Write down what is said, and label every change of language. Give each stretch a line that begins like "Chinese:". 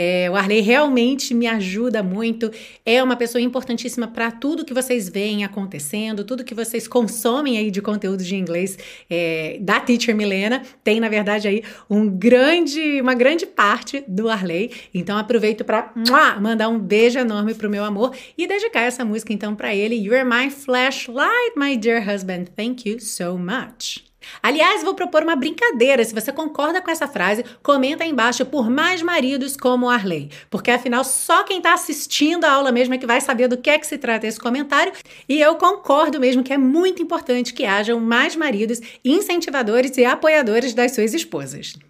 Portuguese: O Arley realmente me ajuda muito, é uma pessoa importantíssima para tudo que vocês veem acontecendo, tudo que vocês consomem aí de conteúdo de inglês da Teacher Milena, tem, na verdade, aí uma grande parte do Arley. Então, aproveito para mandar um beijo enorme pro meu amor e dedicar essa música, então, para ele.
English: You're my flashlight, my dear husband. Thank you so much.
Portuguese: Aliás, vou propor uma brincadeira. Se você concorda com essa frase, comenta aí embaixo por mais maridos como Arley. Porque, afinal, só quem está assistindo a aula mesmo é que vai saber do que se trata esse comentário. E eu concordo mesmo que é muito importante que hajam mais maridos incentivadores e apoiadores das suas esposas.